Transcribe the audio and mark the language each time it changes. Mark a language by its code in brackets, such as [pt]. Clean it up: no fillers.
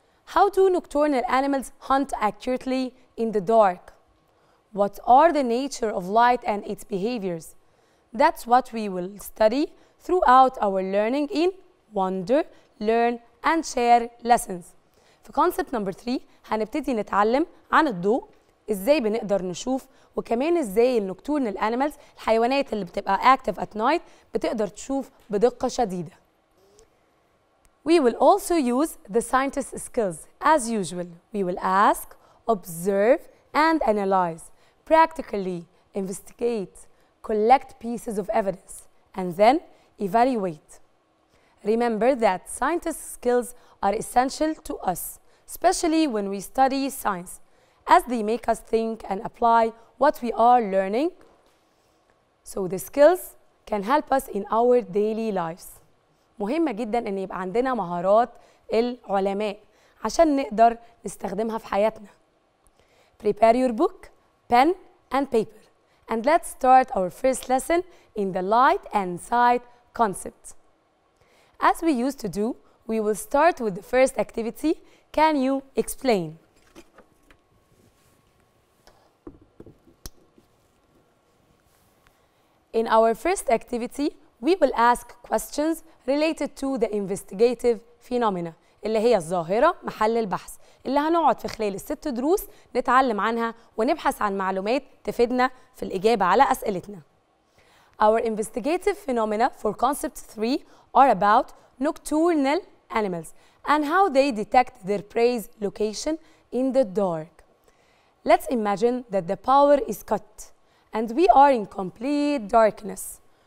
[en] How do nocturnal animals hunt accurately in the dark? What are the nature of light and its behaviors? That's what we will study throughout our learning in Wonder, Learn, and Share lessons. [ar] في concept number 3 هنبتدي نتعلم عن الضوء ازاي بنقدر نشوف وكمان ازاي النوكتورنال انيمالز الحيوانات اللي بتبقى [en] active at night [ar] بتقدر تشوف بدقة شديدة. [en] We will also use the scientist skills as usual. We will ask, observe, and analyze. Practically investigate. Collect pieces of evidence and then evaluate. Remember that scientist skills are essential to us, especially when we study science, as they make us think and apply what we are learning. So the skills can help us in our daily lives. [ar] مهمة جدا ان يبقى عندنا مهارات العلماء عشان نقدر نستخدمها في حياتنا. [en] Prepare your book, pen and paper. And let's start our first lesson in the light and sight concept. As we used to do, we will start with the first activity. Can you explain? In our first activity, we will ask questions related to the investigative phenomena, [ar] اللي هي الظاهرة محل البحث. اللي هنقعد في خلال الست دروس نتعلم عنها ونبحث عن معلومات تفيدنا في الإجابة على أسئلتنا. [en] Our investigative phenomena for concept 3 are about nocturnal animals and how they detect their prey's location in the dark. Let's imagine that the power is cut and we are in complete darkness.